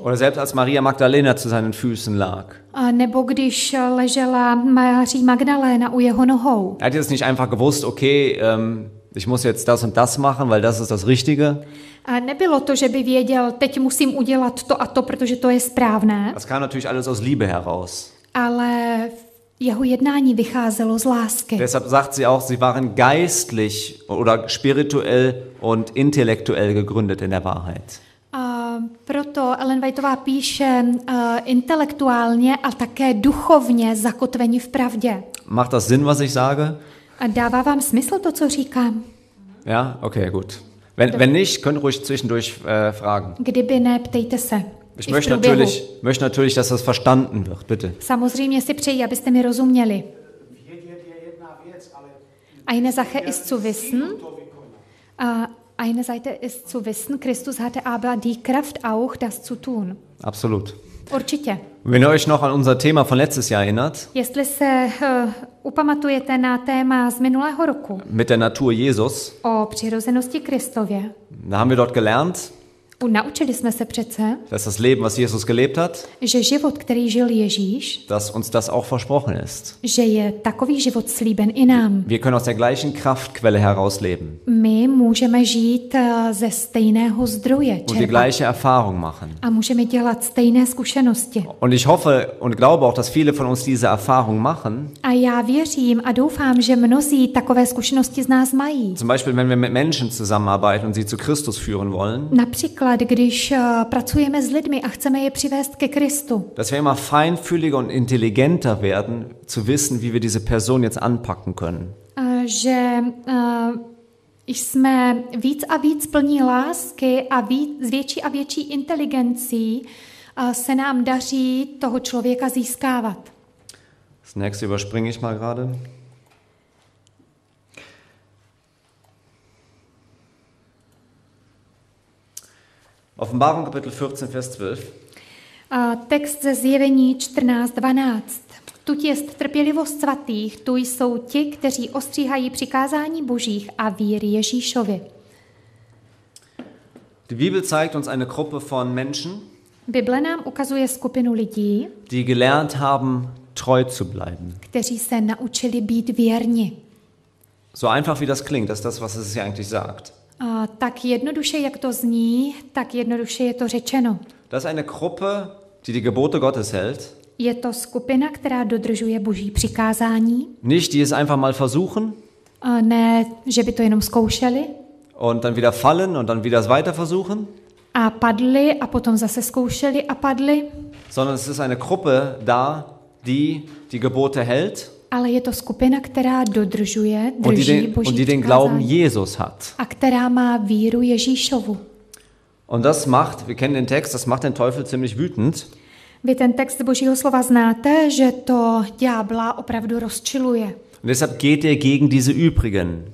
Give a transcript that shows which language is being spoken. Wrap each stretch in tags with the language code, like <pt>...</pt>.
<de>Oder selbst als Maria Magdalena zu seinen Füßen lag.</de> <cs>Nebo když ležela Maria Magdalena u jeho nohou.</cs> <de>Er hat jetzt nicht einfach gewusst, ich muss jetzt das und das machen, weil das ist das Richtige.</de> <cs>Nebylo to, že by věděl, teď musím udělat to a to, protože to je správné.</cs> <de>Das kam natürlich alles aus Liebe heraus.</de> <cs>Ale jeho jednání vycházelo z lásky.</cs> <de>Deshalb sagt sie auch, sie waren geistlich oder spirituell und intellektuell gegründet in der Wahrheit.</de> <cs>Proto Ellen Whiteová píše intelektuálně a také duchovně zakotvení v pravdě.</cs> <de>Macht das Sinn, was ich sage?</de> <cs>Dává vám smysl to, co říkám?</cs> <de>Ja, okay, gut. Wenn nicht, könnt ruhig zwischendurch fragen.</de> <cs>Kdyby ne, ptejte se.</cs> <de>Ich möchte natürlich, dass das verstanden wird, bitte.</de> <cs>Samozřejmě si přeji, abyste mi rozuměli. Vědět je jedna věc, ale</cs> <de>eine Sache ist zu wissen. Eine Seite ist zu wissen, Christus hatte aber die Kraft auch das zu tun. Absolut.</de> <cs>Určitě.</cs> <de>Wenn ihr euch noch an unser Thema von letztes Jahr erinnert.</de> <cs>Jestli se upamatujete na téma z minulého roku.</cs> <de>Mit der Natur Jesus.</de> <cs>O přirozenosti Kristově.</cs> <de>Da haben wir dort gelernt.</de> <cs>Und naučili jsme se přece,</cs> <de>dass das Leben, was Jesus gelebt hat,</de> <cs>že život, který žil Ježíš,</cs> <de>dass uns das auch versprochen ist,</de> <cs>že je takový život slíben i nám.</cs> <de>Wir können aus der gleichen Kraftquelle heraus leben.</de> <cs>My můžeme žít ze stejného zdroje, čerpat.</cs> <de>Und die gleiche Erfahrung machen.</de> <cs>A můžeme dělat stejné zkušenosti.</cs> <de>Und ich hoffe und glaube auch, dass viele von uns diese Erfahrung machen.</de> <cs>A já věřím a doufám, že mnozí takové zkušenosti z nás mají.</cs> <de>Zum Beispiel, wenn wir mit Menschen zusammenarbeiten und sie zu Christus führen wollen.</de> <cs>Například Například, když pracujeme s lidmi a chceme je přivést ke Kristu.</cs> <de>Dass wir immer feinfühliger und intelligenter werden, zu wissen, wie wir diese Person jetzt anpacken können.</de> <cs>Že jsme víc a víc plní lásky a víc, s větší a větší inteligencí se nám daří toho člověka získávat.</cs> <de>Das nächste überspringe ich mal gerade. Offenbarung Kapitel 14 Vers 12.</de> <cs>Text ze Zjevení 14:12. Tud jest trpělivost svatých, tu jsou ti, kteří ostříhají přikázání Božích a víry Ježíšovi.</cs> <de>Die Bibel zeigt uns eine Gruppe von Menschen.</de> <cs>Bible nám ukazuje skupinu lidí,</cs> <de>die gelernt haben, treu zu bleiben.</de> <cs>Kteří se naučili být věrni.</cs> <de>So einfach wie das klingt, ist das, was es hier eigentlich sagt.</de> <cs>Tak jednoduše, jak to zní, tak jednoduše je to řečeno.</cs> <de>Das ist eine Gruppe, die Gebote Gottes hält.</de> <cs>Je to skupina, která dodržuje Boží přikázání.</cs> <de>Nicht, die es einfach mal versuchen.</de> <cs>Ne, že by to jenom zkoušeli.</cs> <de>Und dann wieder fallen und dann wieder es weiter versuchen.</de> <cs>A padli a potom zase zkoušeli a padli.</cs> <de>Sondern es ist eine Gruppe da, die Gebote hält.</de> <cs>Ale je to skupina, která dodržuje, drží</cs> <de>und den,</de> <cs>Boží</cs> <de>und den Glauben Jesus hat.</de> <cs>A která má víru Ježíšovu.</cs> <de>Und das macht, wir kennen den Text, das macht den Teufel ziemlich wütend.</de> <cs>Vy ten text Božího slova znáte, že to ďábla opravdu rozčiluje.</cs> <de>Und deshalb geht er gegen diese übrigen.</de>